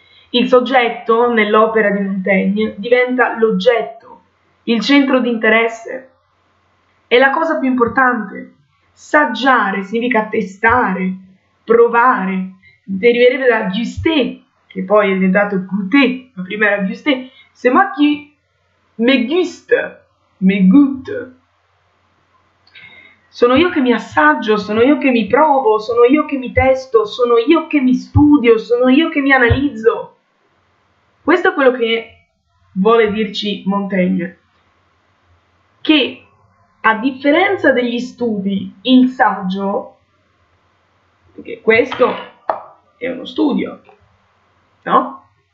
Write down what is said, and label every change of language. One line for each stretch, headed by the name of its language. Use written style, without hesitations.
Italian: Il soggetto nell'opera di Montaigne diventa l'oggetto, il centro di interesse. È la cosa più importante. Saggiare significa testare, provare. Deriverebbe da juste, che poi è diventato goûter, ma prima era juste.
French: C'est moi qui me guste, me goûte.
Italian: Sono io che mi assaggio, sono io che mi provo, sono io che mi testo, sono io che mi studio, sono io che mi analizzo. Questo è quello che vuole dirci Montaigne, che a differenza degli studi, il saggio, perché questo è uno studio, no?